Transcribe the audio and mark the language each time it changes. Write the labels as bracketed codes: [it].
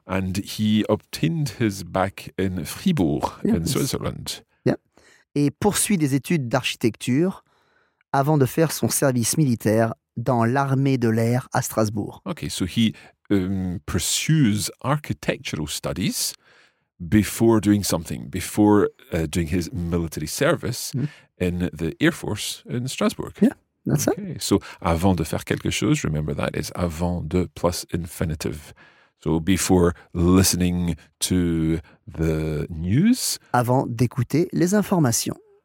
[en] And he obtained his bac in Fribourg, in Switzerland. Yeah. [fr] Et poursuit des études d'architecture avant de faire son service militaire dans l'armée de l'air à Strasbourg. [en] Okay, so he pursues architectural studies before doing something, before doing his military service in the Air Force in Strasbourg. Yeah, that's okay. it. So, [fr] avant de faire quelque chose, [en] remember that is avant de plus infinitive. So, before listening to the news. [fr] Avant d'écouter les informations.